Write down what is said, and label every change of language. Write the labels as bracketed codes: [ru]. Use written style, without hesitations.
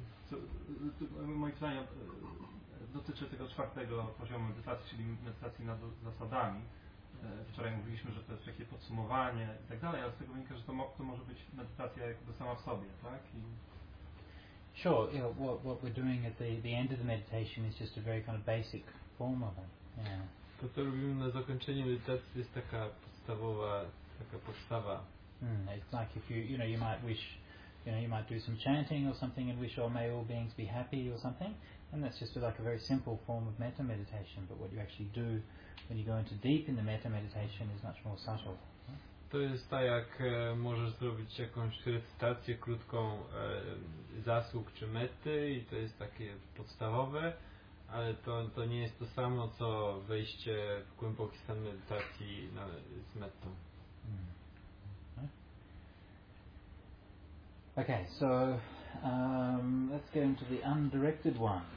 [pl] So moje pytanie dotyczy tego czwartego poziomu medytacji, czyli medytacji nad zasadami. Wczoraj mówiliśmy, że to jest takie podsumowanie i tak dalej, ale z tego wynika, że to może być medytacja jakby sama w sobie, tak? [en] I sure, you know, what we're doing at the end of the meditation is just a very kind of basic form of it. Yeah. [pl] To, co robimy na zakończeniu medytacji, jest taka podstawowa, taka podstawa. [en] It's like if you might wish, you might do some chanting or something and wish, oh, may all beings be happy or something, and that's just like a very simple form of metta meditation, but what you actually do when you go into deep in the metta meditation is much more subtle. [pl] To jest tak, jak możesz zrobić jakąś recytację krótką zasług czy mety i to jest takie podstawowe, ale to nie jest to samo, co wejście w głęboki stan medytacji z metą. [en] Okay, so let's get into the undirected one.